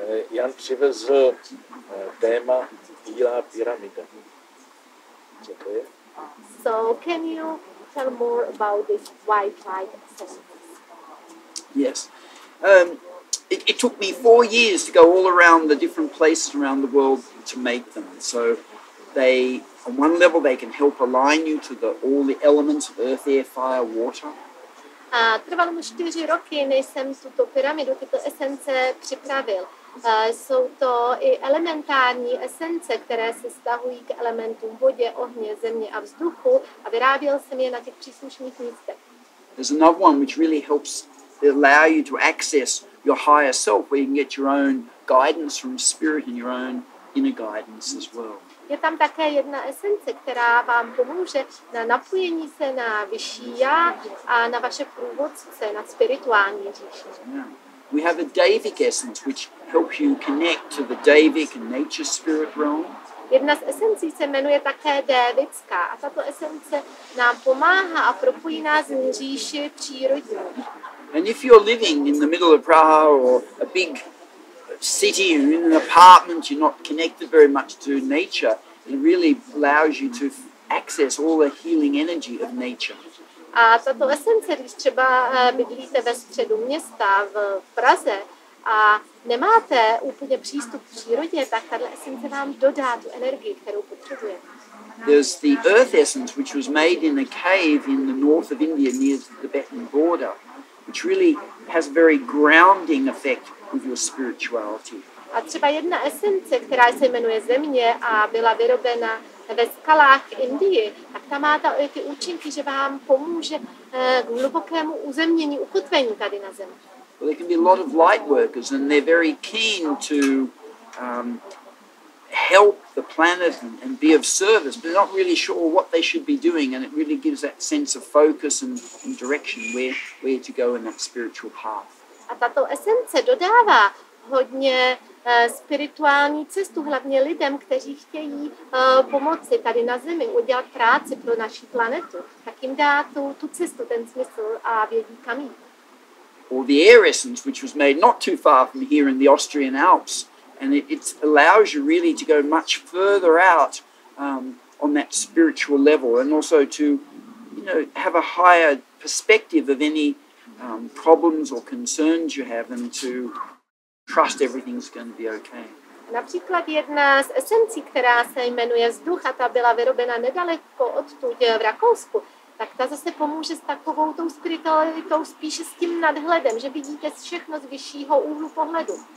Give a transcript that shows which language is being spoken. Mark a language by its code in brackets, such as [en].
[cs] Jan přivezl téma Bílá pyramida. Co to je? [en] So, can you tell more about this white light essence? Yes. It took me 4 years to go all around the different places around the world to make them. So, they, on one level, they can help align you to the all the elements of earth, air, fire, water. [cs] A trvalo mi 4 roky, než jsem tuto pyramidu, tyto esence připravil. Jsou to i elementární esence, které se stahují k elementům vodě, ohně, země a vzduchu a vyráběl jsem je na těch příslušných místech. [en] There's another one which really helps allow you to access your higher self, where you can get your own guidance from spirit and your own inner guidance as well. [cs] Je tam také jedna esence, která vám pomůže na napojení se na vyšší já a na vaše průvodce, na spirituální říši. [en] We have a dévic essence which helps you connect to the dévic and nature spirit realm. [cs] Jedna z esencí se jmenuje také dévická a tato esence nám pomáhá a propojí nás s říši přírody. [en] And if you're living in the middle of Praha or a big city, you're in an apartment, you're not connected very much to nature, it really allows you to access all the healing energy of nature. [cs] A tato esence, když třeba bydlíte ve středu města v Praze a nemáte úplně přístup k přírodě, tak tato esence vám dodá tu energii, kterou potřebuje. [en] There's the earth essence, which was made in a cave in the north of India near the Tibetan border, which really has very grounding effect with your spirituality. [cs] A třeba jedna esence, která se jmenuje Země a byla vyrobena ve skalách Indie, tak tam má ty účinky, že vám pomůže k hlubokému uzemnění, ukotvení tady na Zemi. [en] Well, there can be a lot of light workers and they're very keen to help the planet and be of service, but they're not really sure what they should be doing, and it really gives that sense of focus and direction where to go in that spiritual path. [cs] A tato esence dodává hodně spirituální cestu, hlavně lidem, kteří chtějí pomoci tady na Zemi, udělat práci pro naši planetu, tak jim dá tu cestu, ten smysl a vědí kam jít. [en] Or the air essence, which was made not too far from here in the Austrian Alps, And it allows you really to go much further out on that spiritual level, and also to, you know, have a higher perspective of any problems or concerns you have, and to trust everything's going to be okay. [cs] Například jedna z esencí, která se jmenuje vzduch, a ta byla vyrobena nedaleko odtud v Rakousku, tak ta zase pomůže s takovou tou spiritualitou, spíše s tím nadhledem, že vidíte všechno z vyššího úhlu pohledu.